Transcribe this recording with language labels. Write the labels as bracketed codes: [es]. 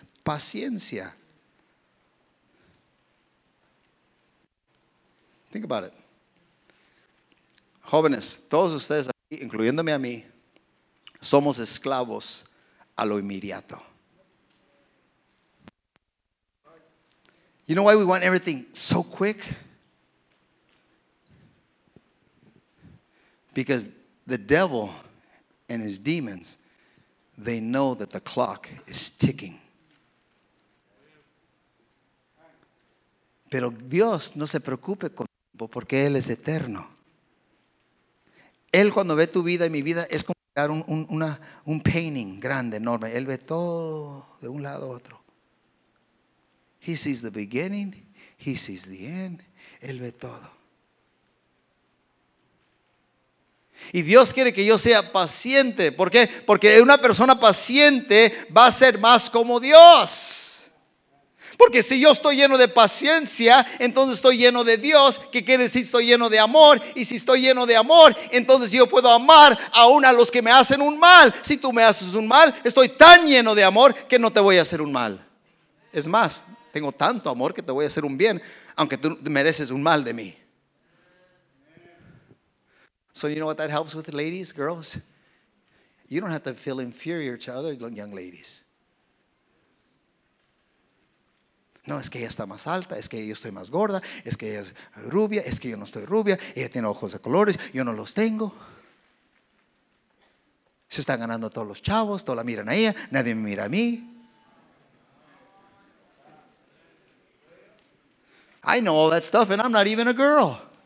[es] Paciencia. [en] Think about it. [es] Jóvenes, todos ustedes incluyéndome a mí, somos esclavos a lo inmediato. [en] You know why we want everything so quick? Because the devil and his demons, they know that the clock is ticking. [es] Pero Dios no se preocupe con el tiempo porque Él es eterno. Él cuando ve tu vida y mi vida es como crear un painting grande, enorme. Él ve todo de un lado a otro. He sees the beginning, he sees the end. Él ve todo. Y Dios quiere que yo sea paciente. ¿Por qué? Porque una persona paciente va a ser más como Dios. Porque si yo estoy lleno de paciencia, entonces estoy lleno de Dios, que quiere decir estoy lleno de amor. Y si estoy lleno de amor, entonces yo puedo amar aún a los que me hacen un mal. Si tú me haces un mal, estoy tan lleno de amor que no te voy a hacer un mal. Es más, tengo tanto amor que te voy a hacer un bien, aunque tú mereces un mal de mí. [en] So you know what that helps with, ladies, girls? You don't have to feel inferior to other young ladies. [es] No, es que ella está más alta, es que yo estoy más gorda, es que ella es rubia, es que yo no estoy rubia, ella tiene ojos de colores, yo no los tengo. Se están ganando todos los chavos, todos la miran a ella, nadie me mira a mí. [en] I know all that stuff and I'm not even a girl.